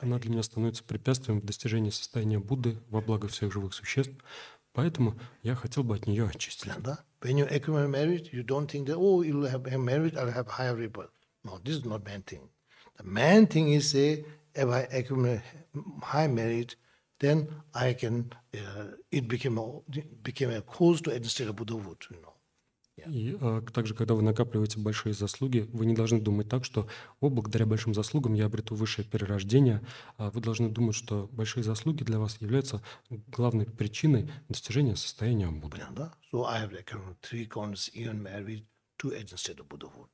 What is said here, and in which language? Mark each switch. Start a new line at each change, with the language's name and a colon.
Russian: Она для меня становится препятствием в достижении состояния Будды во благо всех живых существ, поэтому я хотел бы от нее очиститься. Да.
English: When you accumulate merit, you don't think that oh, you'll have merit, I'll have higher rebirth. No, this is not main thing. The main thing is say, if I accumulate high merit, then I can it became a cause to understand Buddhahood, you know.
Russian: И также, когда вы накапливаете большие заслуги, вы не должны думать так, что «О, благодаря большим заслугам я обрету высшее перерождение». Вы должны думать, что большие заслуги для вас являются главной причиной достижения состояния Будды. Да?
English: So I have like three coins, even married, two agents of Buddhahood.